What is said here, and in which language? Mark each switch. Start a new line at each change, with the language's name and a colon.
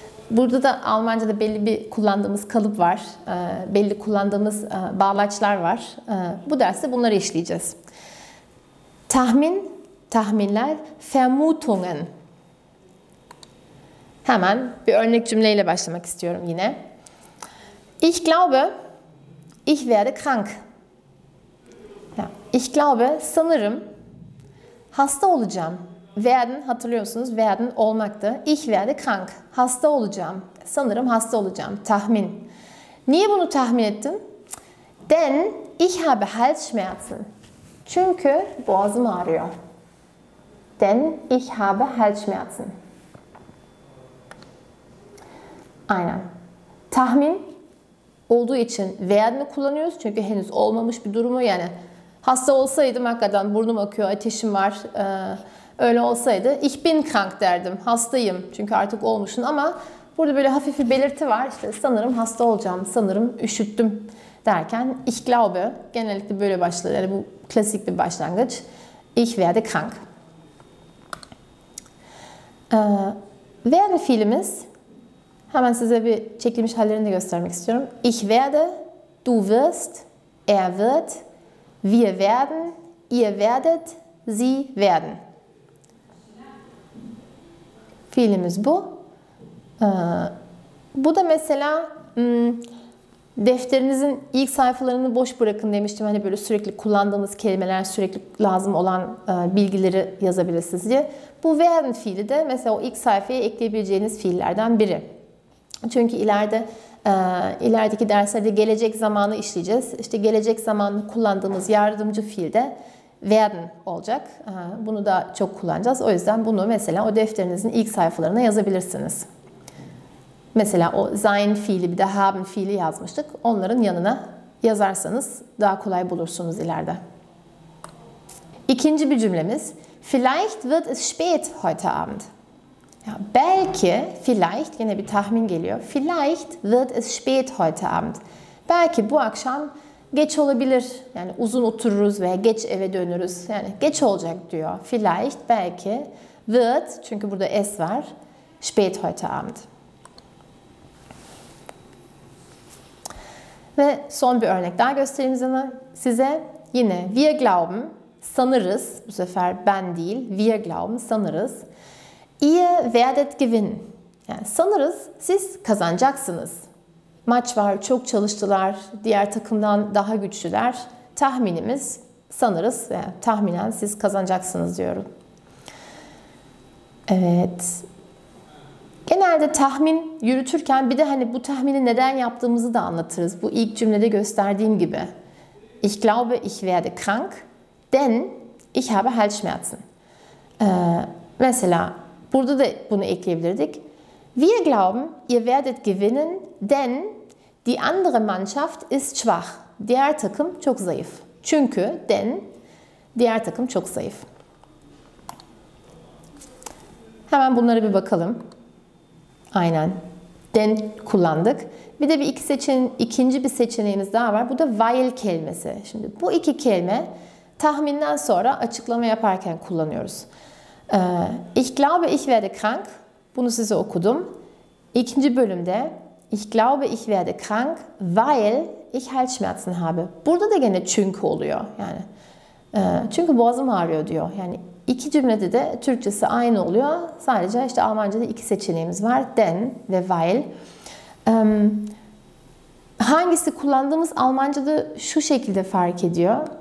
Turkish: Burada da Almanca'da belli bir kullandığımız kalıp var. Belli kullandığımız bağlaçlar var. Bu derste bunları işleyeceğiz. Tahmin, tahminler, vermutungen. Hemen bir örnek cümleyle başlamak istiyorum yine.
German: Ich glaube, ich werde krank. Ich glaube,
Turkish: sanırım hasta olacağım. Werden, hatırlıyor musunuz? Werden olmaktı.
German: Ich werde krank.
Turkish: Hasta olacağım. Sanırım hasta olacağım. Tahmin. Niye bunu tahmin ettim?
German: Denn ich habe Halsschmerzen.
Turkish: Çünkü boğazım ağrıyor.
German: Denn ich habe Halsschmerzen.
Turkish: Aynen. Tahmin olduğu için werden'i kullanıyoruz. Çünkü henüz olmamış bir durumu yani. Hasta olsaydım hakikaten burnum akıyor, ateşim var. Öyle olsaydı
German: ich bin krank
Turkish: derdim. Hastayım çünkü artık olmuşsun ama burada böyle hafif bir belirti var. İşte sanırım hasta olacağım, sanırım üşüttüm derken
German: ich glaube
Turkish: genellikle böyle başlar. Yani bu klasik bir başlangıç.
German: Ich werde krank.
Turkish: Werde fiilimiz hemen size bir çekilmiş hallerini de göstermek istiyorum.
German: Ich werde, du wirst, er wird, wir werden, ihr werdet, sie werden.
Turkish: Fiilimiz bu. Bu da mesela defterinizin ilk sayfalarını boş bırakın demiştim. Hani böyle sürekli kullandığımız kelimeler, sürekli lazım olan bilgileri yazabilirsiniz diye. Bu werden fiili de mesela o ilk sayfaya ekleyebileceğiniz fiillerden biri. Çünkü ilerideki derslerde gelecek zamanı işleyeceğiz. İşte gelecek zamanı kullandığımız yardımcı fiil de werden olacak. Bunu da çok kullanacağız. O yüzden bunu mesela o defterinizin ilk sayfalarına yazabilirsiniz. Mesela o sein fiili bir de haben fiili yazmıştık. Onların yanına yazarsanız daha kolay bulursunuz ileride. İkinci bir cümlemiz.
German: Vielleicht wird es spät heute Abend.
Turkish: Ja, belki, vielleicht, yine bir tahmin geliyor.
German: Vielleicht wird es spät heute Abend.
Turkish: Belki bu akşam geç olabilir. Yani uzun otururuz veya geç eve döneriz. Yani geç olacak diyor. Vielleicht, belki, wird, çünkü burada es var,
German: spät heute Abend.
Turkish: Ve son bir örnek daha göstereyim size. Yine
German: wir glauben,
Turkish: sanırız. Bu sefer ben değil,
German: wir glauben,
Turkish: sanırız.
German: Ihr werdet gewinnen.
Turkish: Yani sanırız siz kazanacaksınız. Maç var, çok çalıştılar, diğer takımdan daha güçlüler. Tahminimiz sanırız ve yani tahminen siz kazanacaksınız diyorum. Evet. Genelde tahmin yürütürken bir de hani bu tahmini neden yaptığımızı da anlatırız. Bu ilk cümlede gösterdiğim gibi.
German: Ich glaube, ich werde krank, denn ich habe Halsschmerzen.
Turkish: Mesela burada da bunu ekleyebilirdik.
German: Wir glauben, ihr werdet gewinnen, denn die andere Mannschaft ist schwach.
Turkish: Diğer takım çok zayıf. Çünkü, denn, diğer takım çok zayıf. Hemen bunlara bir bakalım. Aynen. Denn kullandık. Bir de ikinci bir seçeneğimiz daha var. Bu da weil kelimesi. Şimdi bu iki kelime tahminden sonra açıklama yaparken kullanıyoruz.
German: Ich glaube, ich werde krank.
Turkish: Bunu size okudum. İkinci bölümde
German: Ich glaube, ich werde krank, weil ich Halsschmerzen habe.
Turkish: Burada da gene çünkü oluyor. Yani çünkü boğazım ağrıyor diyor. Yani iki cümlede de Türkçesi aynı oluyor. Sadece işte Almanca'da iki seçeneğimiz var. Denn ve weil. Hangisi kullandığımız Almanca'da şu şekilde fark ediyor.